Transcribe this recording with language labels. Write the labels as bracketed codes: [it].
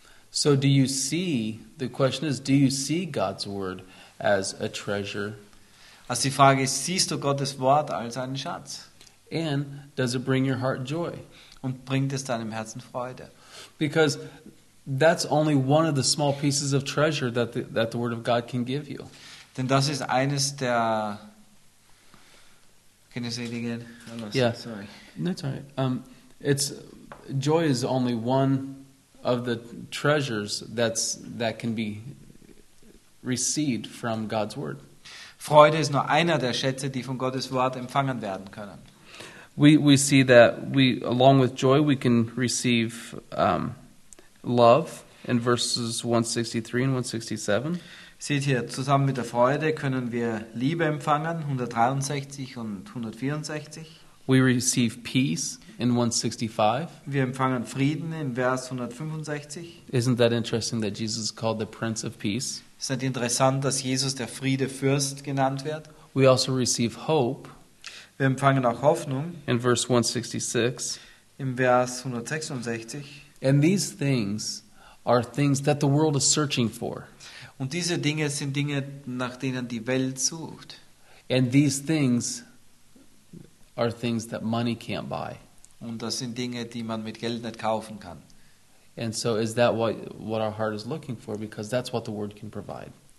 [en] So do you see, the question is, do you see God's word as a treasure? [de] Also die Frage ist, siehst du Gottes Wort als einen Schatz? [en] And does it bring your heart joy? [de] Und bringt es deinem Herzen Freude? [en] Because that's only one of the small pieces of treasure that the Word of God can give you. [de] Denn das ist eines der. [en] Can you say it again? Yeah. Sorry. No, it's all right. It's joy is only one of the treasures that can be received from God's word. [de] Freude ist nur einer der Schätze, die von Gottes Wort empfangen werden können. [en] We see that we, along with joy, we can receive love in verses 163 and 167. [de] Seht hier, zusammen mit der Freude können wir Liebe empfangen, 163 und 164. [en] We receive peace in 165. [de] Wir empfangen Frieden in Vers 165. [en] Isn't that interesting that Jesus is called the Prince of Peace? [de] Ist nicht interessant, dass Jesus der Friedefürst genannt wird? [en] We also receive hope. [de] Wir empfangen auch Hoffnung. [en] In verse 166. [de] Im Vers 166. [en] And these things are things that the world is searching for. [de] Und diese Dinge sind Dinge, nach denen die Welt sucht. [en] And these things are things that money can't buy. [de] Und das sind Dinge, die man mit Geld nicht kaufen kann. [en] And so is that what our heart is looking for, because that's what the word can provide.